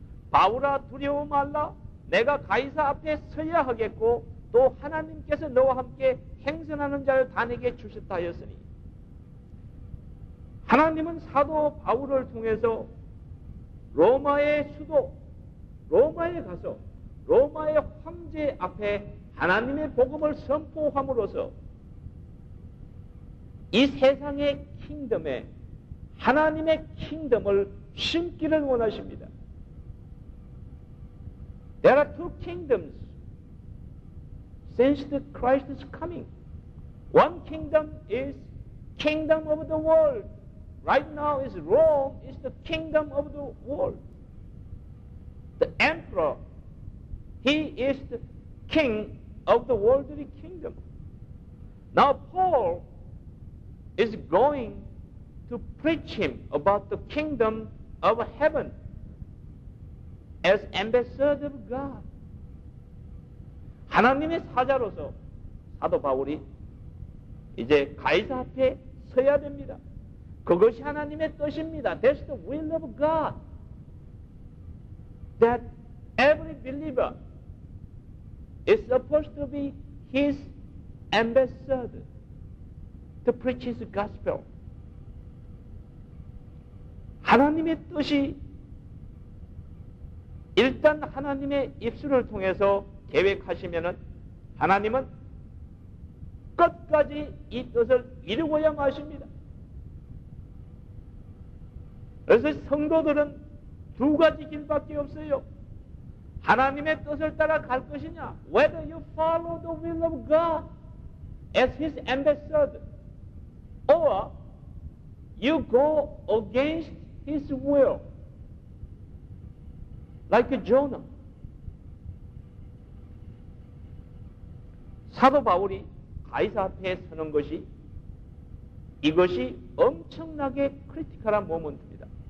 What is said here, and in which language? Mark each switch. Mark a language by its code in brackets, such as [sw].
[ko] 바울아 두려워 말라. 내가 가이사 앞에 서야 하겠고 또 하나님께서 너와 함께 행선하는 자를 단에게 주셨다 하였으니 하나님은 사도 바울을 통해서 로마의 수도 로마에 가서 로마의 황제 앞에 하나님의 복음을 선포함으로써 이 세상의 킹덤에 하나님의 킹덤을 심기를 원하십니다. [en] There are two kingdoms since the Christ is coming. One kingdom is kingdom of the world. Right now is Rome is the kingdom of the world. The emperor, he is the king of the worldly kingdom. Now Paul is going to preach him about the kingdom of heaven as ambassador of God. [ko] 하나님의 사자로서 사도 바울이 이제 가이사 앞에 서야 됩니다. 그것이 하나님의 뜻입니다. [en] That's the will of God. That every believer is supposed to be his ambassador to preach his gospel. [ko] 하나님의 뜻이 일단 하나님의 입술을 통해서 계획하시면은 하나님은 끝까지 이 뜻을 이루어야 마십니다. 그래서 성도들은 두 가지 길밖에 없어요. 하나님의 뜻을 따라 갈 것이냐? [en] Whether you follow the will of God as his ambassador or you go against His will, like Jonah. [ko] 사도 바울이 가이사 앞에 서는 것이 이것이 엄청나게 크리티컬한 모먼트입니다.